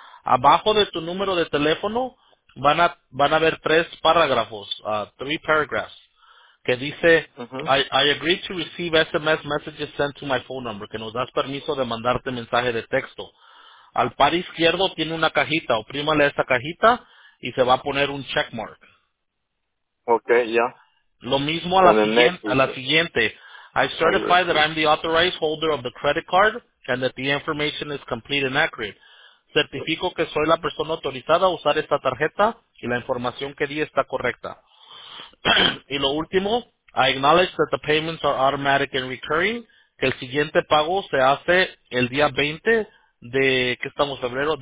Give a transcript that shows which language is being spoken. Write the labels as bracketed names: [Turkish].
[Spanish] Abajo de tu número de teléfono van a ver tres párrafos, [English] three paragraphs, [Spanish] que dice, uh-huh. [English] I agree to receive SMS messages sent to my phone number, [Spanish] que nos das permiso de mandarte mensaje de texto. Al par izquierdo tiene una cajita, oprímale esa cajita y se va a poner un checkmark. Okay, ya. Yeah. Lo mismo a la siguiente. [English] I certify that I'm the authorized holder of the credit card and that the information is complete and accurate. [Spanish] Certifico que soy la persona autorizada a usar esta tarjeta y la información que di está correcta. Y lo último, [English] I acknowledge that the payments are automatic and recurring, [Spanish] que el siguiente pago se hace el día 20 de, ¿qué estamos, febrero?